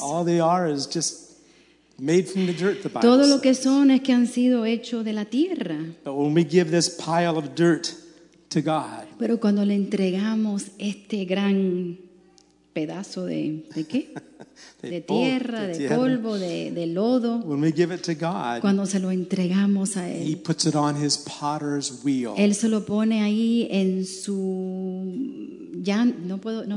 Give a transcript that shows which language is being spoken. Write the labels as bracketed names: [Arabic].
[English] All they are is just made from the dirt, the Bible [Spanish] todo [English] says. [Spanish] Lo que son es que han sido hecho de la tierra. [English] But when we give this pile of dirt to God. [Spanish] Pero cuando le entregamos este gran pedazo de qué? De tierra, de polvo, de lodo. [English] When we give it to God, [Spanish] cuando se lo entregamos a él, [English] he puts it on his potter's wheel. [Spanish] Él se lo pone ahí en su ya no puedo no